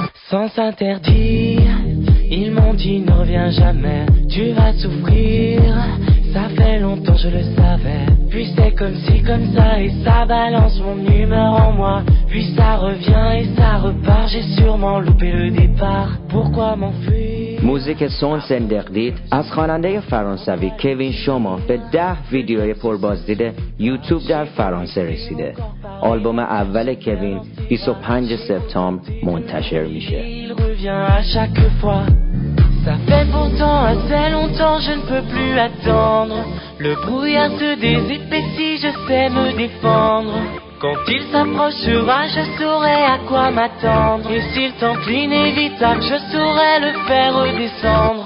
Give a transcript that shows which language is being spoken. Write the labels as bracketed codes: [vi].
[fr] Sans interdit, ils m'ont dit ne reviens jamais, tu vas souffrir, ça fait longtemps je le savais. Puis c'est comme si comme ça et ça balance mon humeur en moi. Puis ça revient et ça repart, j'ai sûrement loupé le départ. Pourquoi m'enfuir? [fa] موزیک سانس اندردید از خواننده فرانسوی کوین شوما به 10 ویدیوی پربازدید یوتیوب در فرانسه رسیده. آلبوم اول کوین 25 سپتامبر منتشر میشه. [fr] Ça fait pourtant assez longtemps, je ne peux plus attendre. Le brouillard se désépaissit, je sais me défendre. Quand il s'approchera, je saurai à quoi m'attendre. Et s'il tente l'inévitable, je saurai le faire redescendre.